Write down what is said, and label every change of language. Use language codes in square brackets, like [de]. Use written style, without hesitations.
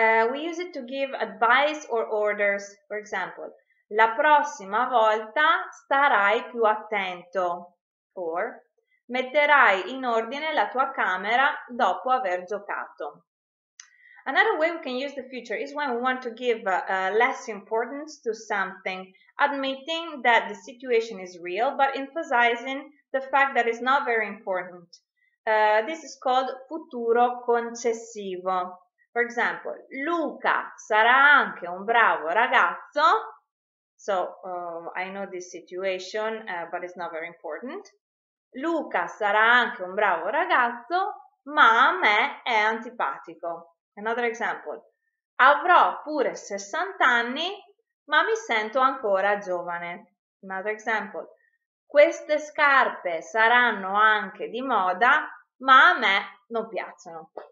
[en] We use it to give advice or orders. For example, [it] la prossima volta starai più attento, [en] or [it] metterai in ordine la tua camera dopo aver giocato. [en] Another way we can use the future is when we want to give less importance to something, admitting that the situation is real, but emphasizing the fact that it's not very important. This is called futuro concessivo. For example, [it] Luca sarà anche un bravo ragazzo. [en] So, I know this situation, but it's not very important. [it] Luca sarà anche un bravo ragazzo, ma a me è antipatico. [en] Another example. [it] Avrò pure 60 anni, ma mi sento ancora giovane. [en] Another example. [it] Queste scarpe saranno anche di moda, ma a me non piacciono.